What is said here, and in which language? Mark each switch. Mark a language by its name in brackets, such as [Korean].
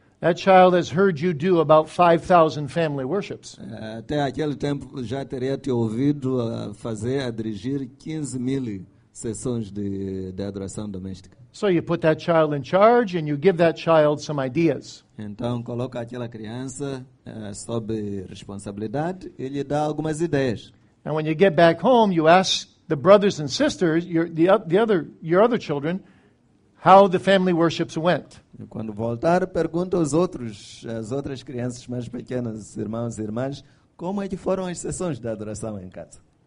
[English] that child has heard you do about 5,000 family worships. [Portuguese] Até aquele tempo já teria te ouvido a dirigir 15 mil sessões de adoração doméstica. [English] So you put that child in charge and you give that child some ideas. [Portuguese] Então coloca aquela criança sob responsabilidade e lhe dá algumas ideias. [English] And when you get back home, you ask the brothers and sisters, your other children, how the family worships went. [Portuguese] E quando voltar, pergunta aos outros, às outras crianças mais pequenas, irmãos e irmãs, como é que foram as sessões de adoração em casa.